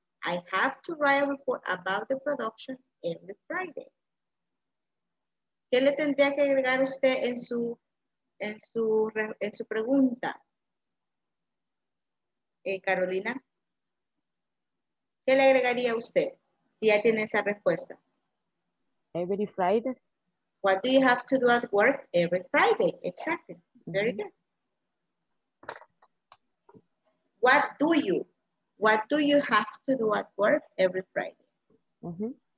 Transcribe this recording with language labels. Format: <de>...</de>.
<en>I have to write a report about the production every Friday.</en> <es>¿Qué le tendría que agregar usted en su pregunta? Carolina, ¿qué le agregaría usted si ya tiene esa respuesta?</es> <en>Every Friday. What do you have to do at work every Friday? Exactly. Very good. What do you? What do you have to do at work every Friday?</en>